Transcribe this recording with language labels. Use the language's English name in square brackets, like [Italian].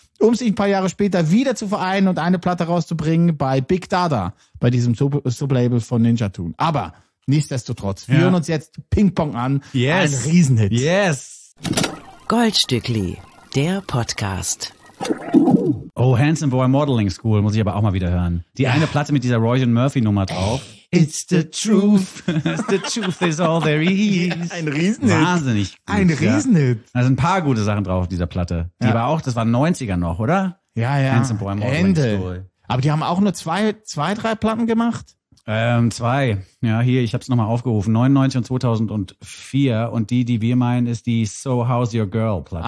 [German] um sich ein paar Jahre später wieder zu vereinen und eine Platte rauszubringen bei Big Dada, bei diesem Sublabel von Ninja Tune. Aber nichtsdestotrotz, wir hören uns jetzt Ping-Pong an. [English] Yes. [German] Ein Riesenhit. [English] Yes. [German] Goldstückli, der Podcast. Oh, Handsome Boy Modeling School, muss ich aber auch mal wieder hören. Die eine Platte mit dieser Roisin Murphy-Nummer drauf. [English] It's the truth. It's the truth is all there is. [German] Ein Riesenhit. Wahnsinnig gut, ein Riesenhit. Ja. Da sind ein paar gute Sachen drauf auf dieser Platte. Die war auch, das war 90er noch, oder? Ja, ja. Handsome Boy Modeling School. Aber die haben auch nur zwei, drei Platten gemacht? Zwei. Ja, hier, ich hab's nochmal aufgerufen. 99 und 2004. Und die, die wir meinen, ist die So How's Your Girl Platte.